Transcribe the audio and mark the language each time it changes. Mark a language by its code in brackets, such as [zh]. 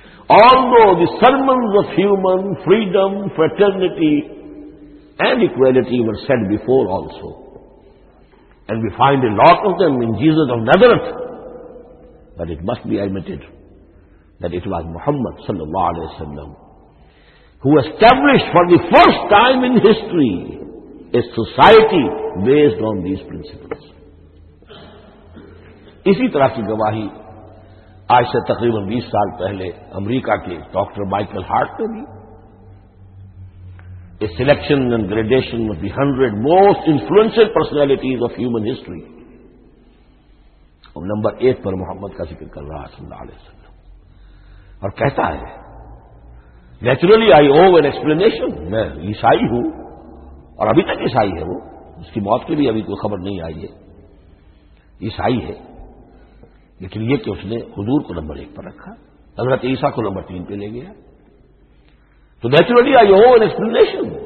[en] All the sermons of human freedom, fraternity and equality were set before also, and we find a lot of them in Jesus of Nazareth, but it must be admitted that it was محمد صلی اللہ علیہ وسلم۔ who established for the first time in history a society based on these principles. [ur] اسی طرح کی گواہی آج سے تقریباً 20 سال پہلے امریکہ کے ڈاکٹر مائیکل ہارٹ نے دی. [en] A selection and gradation of the 100 most influential personalities of human history. [ur] اب نمبر 8 پر محمد کا ذکر کر رہا ہے صلی اللہ علیہ وسلم اور کہتا ہے [en] naturally I owe an explanation, [ur] میں عیسائی ہوں اور ابھی تک عیسائی ہے, وہ اس کی موت کی بھی ابھی کوئی خبر نہیں آئی ہے, عیسائی ہے, لیکن یہ کہ اس نے حضور کو نمبر 1 پر رکھا, حضرت عیسیٰ کو نمبر 3 پہ لے گیا, تو naturally I O an explanation.